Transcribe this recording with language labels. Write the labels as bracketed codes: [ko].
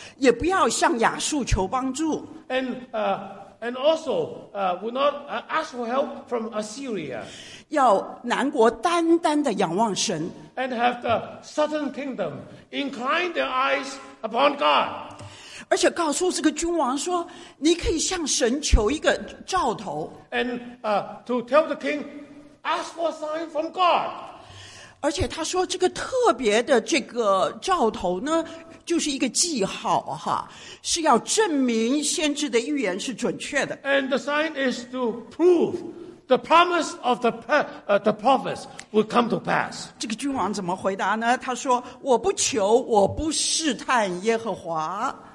[zh] 也不要向亚述求帮助。 [en] And also would not ask for help from Assyria. [zh] 要南国单单的仰望神。 [en] And have the southern kingdom incline their eyes upon God. [zh] 而且告诉这个君王说，你可以向神求一个兆头。 [en] And to tell the king, ask for a sign from God. [zh] 而且他说这个特别的这个兆头呢，就是一个记号哈，是要证明先知的预言是准确的。 [en] And the sign is to prove the promise of the prophets will come to pass. [zh] 这个君王怎么回答呢？他说我不求，我不试探耶和华。